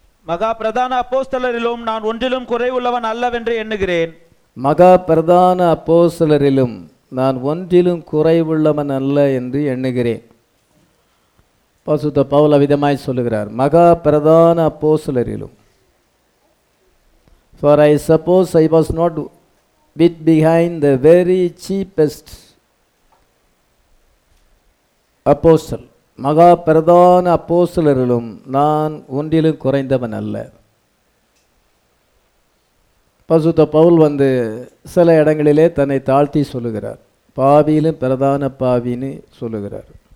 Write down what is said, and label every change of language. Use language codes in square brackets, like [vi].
[ta] மகா பிரதான அப்போஸ்தலரிலும் நான் ஒன்றிலும் குறைவுள்ளவன் அல்லவென்று எண்ணுகிறேன். மகா பிரதான அப்போஸ்தலரிலும் நான் ஒன்றிலும் குறைவுள்ளவன் அல்ல என்று எண்ணுகிறேன். பரிசுத்த பவுல் அவிதமாய் சொல்லுகிறார், மகா பிரதான அப்போஸ்தலரிலும். [en] For I suppose I was not bit behind the very cheapest apostle. [ta] மகா பிரதான அப்போஸ்தலரிலும் நான் ஒன்றிலும் குறைந்தவன் அல்ல. பரிசுத்த பவுல் வந்து சில இடங்களிலே தன்னை தாழ்த்தி சொல்லுகிறார், பாவியிலும் பிரதான பாவின்னு சொல்லுகிறார்.